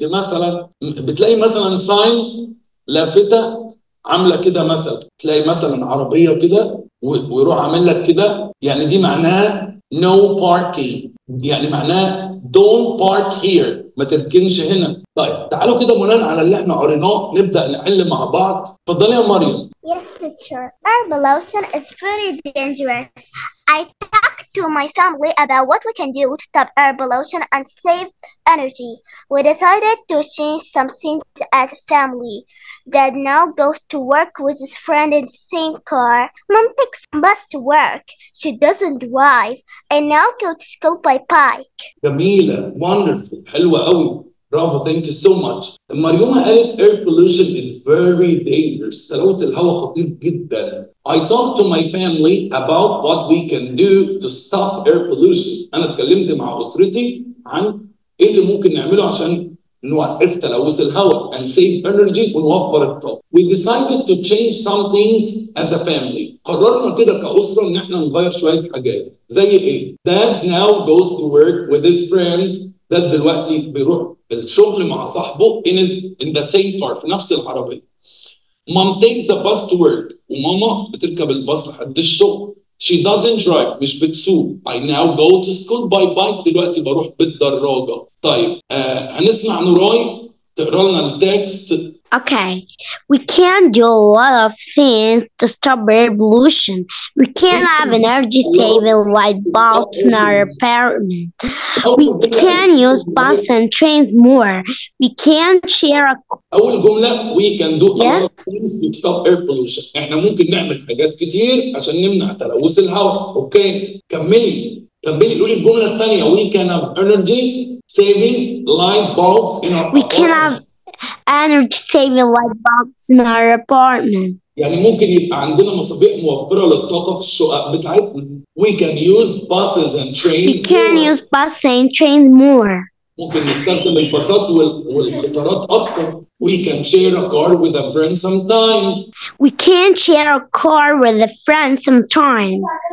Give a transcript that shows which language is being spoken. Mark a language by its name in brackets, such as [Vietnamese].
[Arabic] مثلا بتلاقي مثلا ساين لافتة عاملة كده، مثلا تلاقي مثلا عربية كده ويروح عامل لك كده، يعني دي معناها [English] no parking، [Arabic] يعني معناها [English] don't park here [Arabic] ما تركنش هنا. طيب تعالوا كده بناء على اللي احنا قريناه نبدا نحل مع بعض. اتفضلي يا مريم. [English] Yes teacher. Air pollution is pretty dangerous. I talked to my family about what we can do to stop air pollution and save energy. We decided to change some things as a family. Dad now goes to work with his friend in the same car. Mom takes bus to work. She doesn't drive. I now go to school by bike. [Arabic] جميلة. [English] Wonderful. [Arabic] حلوة قوي. [English] برافو. Thank you so much. [Arabic] مريومة قالت [English] air pollution is very dangerous. [Arabic] تلوث الهواء خطير جدا. [English] I talked to my family about what we can do to stop air pollution. [Arabic] أنا اتكلمت مع أسرتي عن إيه اللي ممكن نعمله عشان نوقف تلوث الهواء [English] and save energy [Arabic] ونوفر الطاقة. [English] We decided to change some things as a family. [Arabic] قررنا كده كأسرة إن إحنا نغير شوية حاجات. زي إيه؟ [English] Dad now goes to work with his friend. [Arabic] Dad دلوقتي بيروح الشغل مع صاحبه [English] in the same car [Arabic] في نفس العربية. [English] Mom takes the bus to work. [Arabic] وماما بتركب الباص لحد الشغل. [English] She doesn't drive. [Arabic] مش بتسوق. [English] I now go to school by bike. [Arabic] دلوقتي بروح بالدراجة. طيب هنسمع نوراي تقرأ لنا التكست. [English] Okay. We can do a lot of things to stop air pollution. We can have energy saving light bulbs in our apartment. We can use bus and trains more. We can share a... [Arabic] أول جملة [English] we can do a lot of things to stop air pollution. [Arabic] إحنا ممكن نعمل حاجات كتير عشان نمنع تلوث الهواء. أوكي. كملي. كملي. قولي الجملة الثانية. [English] We can have energy saving light bulbs in our we can have energy saving light bulbs in our apartment. [Arabic] يعني ممكن يبقى عندنا مصابيح موفرة للطاقة في الشقق بتاعتنا. [English] We can use buses and trains. We can more. Use buses and trains more. [Arabic] ممكن نستخدم الباصات والقطارات أكتر. [English] We can share a car with a friend sometimes. We can share a car with a friend sometimes.